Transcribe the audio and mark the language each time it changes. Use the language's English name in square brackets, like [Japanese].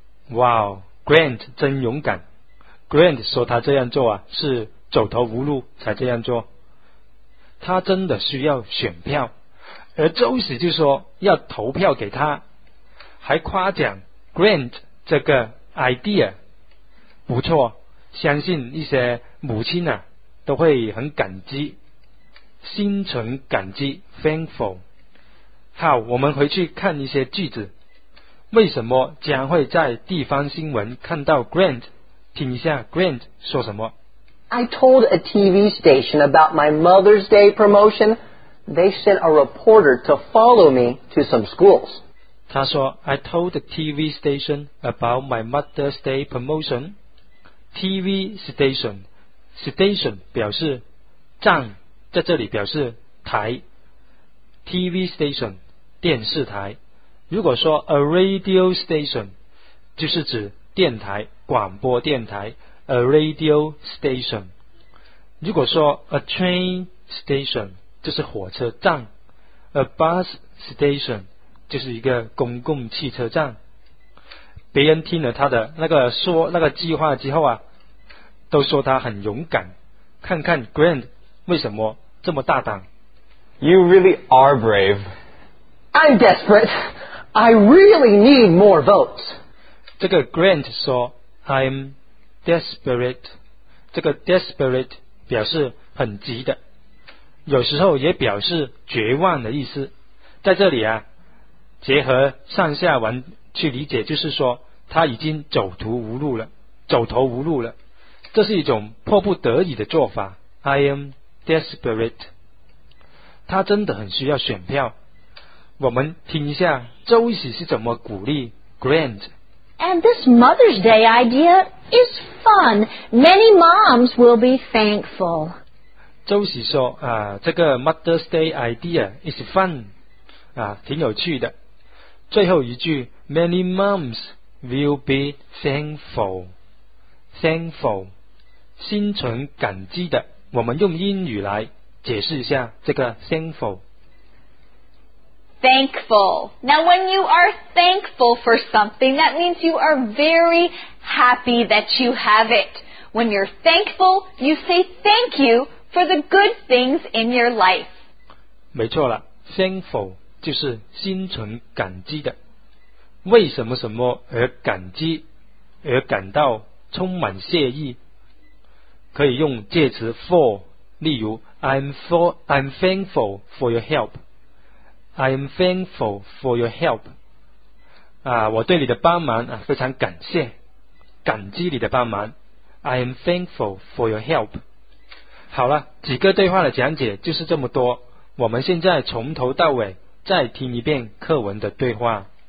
[Chinese] 哇哦 ，Grant 真勇敢。Grant 说他这样做啊是走投无路才这样做，他真的需要选票，而周喜就说要投票给他，还夸奖 Grant 这个 idea 不错，相信一些母亲啊都会很感激，心存感激 thankful。好，我们回去看一些句子，为什么将会在地方新闻看到 Grant， 听一下 Grant 说什么。 [English] I told a TV station about my Mother's Day promotion. They sent a reporter to follow me to some schools. [Chinese] 他说 [English] I told a TV station about my Mother's Day promotion. TV station. [Chinese] Station 表示站，在这里表示台。 TV station 电视台。如果说 a radio station 就是指电台，广播电台。 [English] A radio station. [Chinese] 如果说 [English] a train station [Chinese] 就是火车站， [English] a bus station [Chinese] 就是一个公共汽车站。别人听了他的那个计划之后啊，都说他很勇敢。看看 Grant 为什么这么大胆。 [English] You really are brave. I'm desperate. I really need more votes. [Chinese] 这个 Grant 说 [English] I'm desperate， [Chinese] 这个 desperate 表示很急的，有时候也表示绝望的意思。在这里啊，结合上下文去理解，就是说他已经走投无路了，走投无路了，这是一种迫不得已的做法。 [English] I am desperate， [Chinese] 他真的很需要选票。我们听一下周喜是怎么鼓励 Grant。 [English] And this Mother's Day idea is fun. Many moms will be thankful. [Chinese] 周喜说啊，这个 [English] Mother's Day idea is fun， [Chinese] 啊，挺有趣的。最后一句 ， [English] Many moms will be thankful. [Chinese] Thankful， 心存感激的。我们用英语来解释一下这个 thankful。 [English] Thankful. Now, when you are thankful for something, that means you are very happy that you have it. When you're thankful, you say thank you for the good things in your life. [Chinese] 没错了 ，thankful 就是心存感激的，为什么什么而感激，而感到充满谢意。可以用介词 for， 例如 [English] I'm thankful for your help. I am thankful for your help. [Chinese] 啊，我对你的帮忙啊非常感谢，感激你的帮忙。 [English] I am thankful for your help. [Chinese] 好了，几个对话的讲解就是这么多。我们现在从头到尾再听一遍课文的对话。